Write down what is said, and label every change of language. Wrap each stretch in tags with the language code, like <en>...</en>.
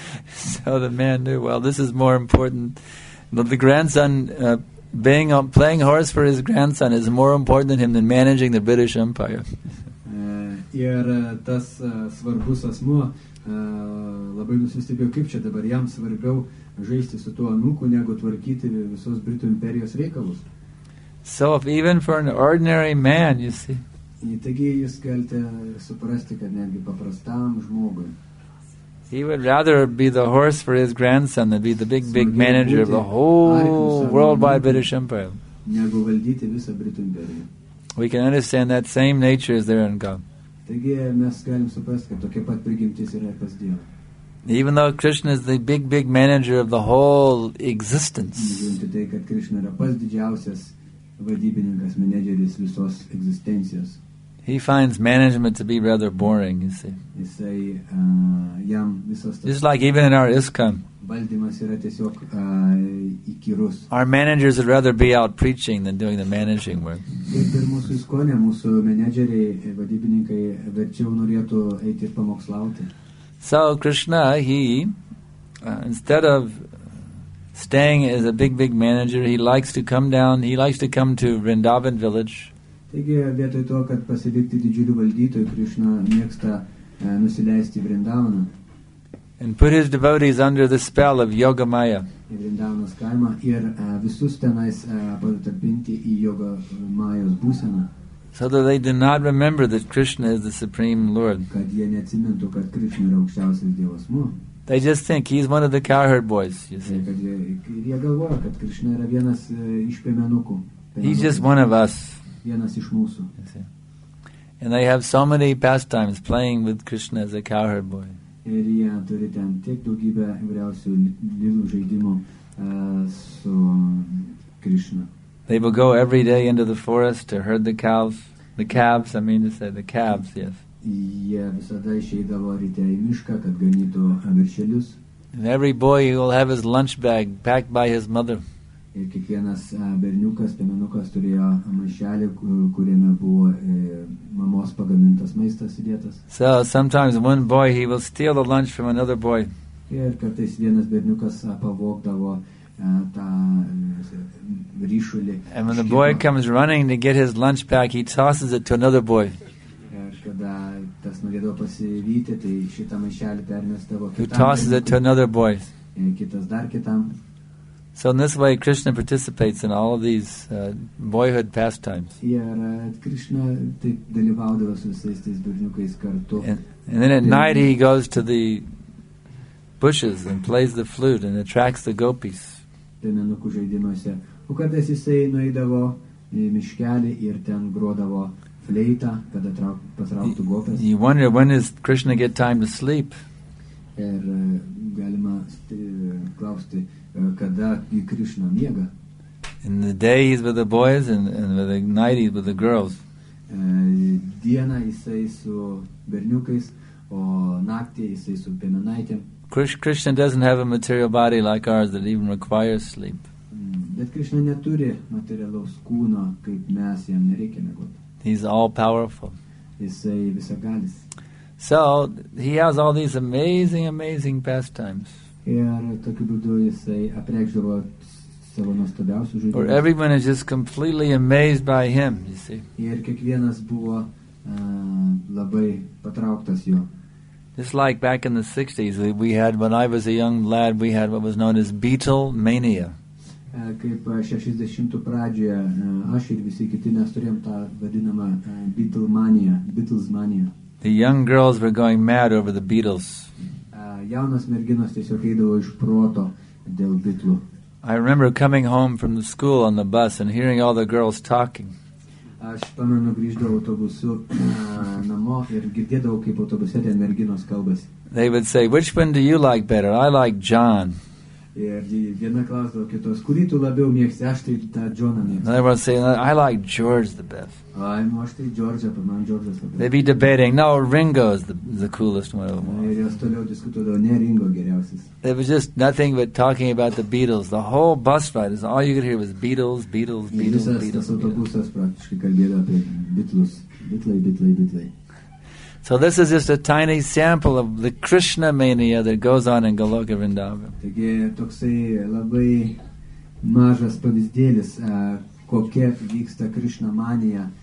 <en>So the man knew, well, this is more important. The grandson playing horse for his grandson is more important than him than managing the British Empire.</en> <lt>Ir tas svarbus asmuo labai nusistebėjo, kaip čia dabar jam svarbiau žaisti su tuo anūku, negu tvarkyti visos Britų imperijos reikalus.</lt> <en>So if even for an ordinary man, you see.</en> <lt>Taigi jūs galite suprasti, kad netgi paprastam žmogui.</lt> <en>He would rather be the horse for his grandson than be the big, big manager of the whole worldwide British Empire.</en> <lt>Negu valdyti visą Britų imperiją.</lt> <en>We can understand that same nature is there in God.</en> <lt>Taigi mes galim suprasti, kad tokia pat prigimtis yra ir pas Dievą.</lt> <en>Even though Krishna is the big, big manager of the whole existence.</en> <lt>Žiūrinti tai, kad Krishna yra pas didžiausias vadybininkas, menedžeris visos egzistencijos.</lt> <en>He finds management to be rather boring, you see.</en> <lt>Jisai jam visos...</lt> <en>Just like even in our ISKCON.</en> <lt>Valdymas yra tiesiog įkyrus.</lt> <en>Our managers would rather be out preaching than doing the managing work.</en> <lt>Ir mūsų ISKCONė, mūsų menedžeriai, vadybininkai, verčiau norėtų eiti ir pamokslauti.</lt> <en>So Krishna, he, instead of staying as a big, big manager, he likes to come down, he likes to come to Vrindavan village.</en> <lt>Taigi, vietoj to, kad pasilikti didžiulį valdytoj, Krishna mėgsta nusileisti Vrindavaną.</lt> <en>And put his devotees under the spell of Yoga Maya.</en> <lt>Vrindavanos kaimą ir visus tenais patalpinti į Yoga Mayos būseną.</lt> <en>So that they do not remember that Krishna is the Supreme Lord.</en> <lt>Kad jie neatsimintų, kad Krishna yra aukščiausias dievas mu.</lt> <en>They just think he's one of the cowherd boys, you see.</en> <lt>Ir jie galvoja, kad Krishna yra vienas iš piemenukų.</lt> <en>He's just one of us.</en> <lt>Vienas iš mūsų.</lt> <en>And they have so many pastimes playing with Krishna as a cowherd boy.</en> <lt>Ir jie turi ten tiek daugybę įvairiausių lilų žaidimų su Krishna.</lt> <en>They will go every day into the forest to herd the cows, the calves, I mean to say, the calves, yes.</en> <lt>Jie visada išeidavo ryte į mišką, kad ganytų viršelius.</lt> <en>And every boy will have his lunch bag packed by his mother.</en> <lt>Ir kiekvienas berniukas, piemenukas turėjo maišelį, kuriame buvo mamos pagamintas maistas įdėtas.</lt> <en>So sometimes one boy, he will steal the lunch from another boy.</en> <lt>Ir kartais vienas berniukas pavogdavo tą ryšulį.</lt> <en>And when the boy comes running to get his lunch back, he tosses it to another boy.</en> <lt>Ir kada tas norėdavo pasivyti, tai šitą maišelį permestavo kitam.</lt> <en>He tosses it to another boy.</en> <lt>Kitas dar kitam.</lt> <en>So in this way, Krishna participates in all of these boyhood pastimes.</en> <lt>Ir Krishna taip dalyvaudavo su visais tais berniukais kartu.</lt> <en>And then at night he goes to the bushes and plays the flute and attracts the gopis.</en> <lt>Piemenukų žaidimuose. O kada jisai nueidavo į miškelį ir ten grodavo fleitą, kad patrauktų gopis.</lt> <en>You wonder, when does Krishna get time to sleep?</en> <lt>Ir galima klausti, kada į Krishna miega.</lt> <en>In the day he's with the boys and with the night he's with the girls.</en> <lt>Dieną jisai su berniukais, o naktį jisai su piemenaitėm.</lt> <en>Krishna doesn't have a material body like ours that even requires sleep.</en> <lt>Bet Krishna neturi materialaus kūno, kaip mes, jam nereikia miegoti.</lt> <en>He's all powerful.</en> <lt>Jisai visagalis.</lt> <en>So, he has all these amazing pastimes.</en> <lt>Ir tokiu būdu jisai apreikždavo savo nuostabiausių žaidimų.</lt> <en>Or everyone is just completely amazed by him, you see.</en> <lt>Ir kiekvienas buvo labai patrauktas jo.</lt> <en>Just like back in the 60s, we had, when I was a young lad, we had what was known as Beatle Mania.</en> <lt>Kaip 60-tų pradžioje, aš ir visi kiti mes turėjom tą vadinamą Beatle Mania, Beatles Mania.</lt> <en>The young girls were going mad over the Beatles.</en> <lt>Jaunas merginos tiesiog eidavo iš proto dėl Beatles.</lt> <en>I remember coming home from the school on the bus and hearing all the girls talking.</en> <lt>Aš pamenu, grįždavau autobusu namo ir girdėdavau, kaip autobuse ten merginos kalbasi.</lt> <en>They would say, which one do you like better? I like John.</en> <lt>Ir viena klausdavo kitos, kurį tu labiau mėgsti, aš tai tą Johną mėgsti.</lt> <en>Another one saying, I like George the best.</en> <lt>Aš tai George'ą, man George'as labiau.</lt> <en>They'd be debating, no, Ringo is the coolest one of them all.</en> <lt>Ir jos toliau diskutuodavo, ne Ringo geriausias.</lt> <en>It was just nothing but talking about the Beatles. The whole bus ride, all you could hear was Beatles, Beatles, Beatles, Beatles.</en> <lt>Ir visas autobusas praktiškai kalbėjo apie Beatles, Beatles, Beatles, Beatles.</lt> <en>So this is just a tiny sample of the Krishna mania that goes on in Goloka Vrindavan.</en> <lt>Taigi toksai labai mažas pavyzdėlis, kokia vyksta Krishna mania.</lt>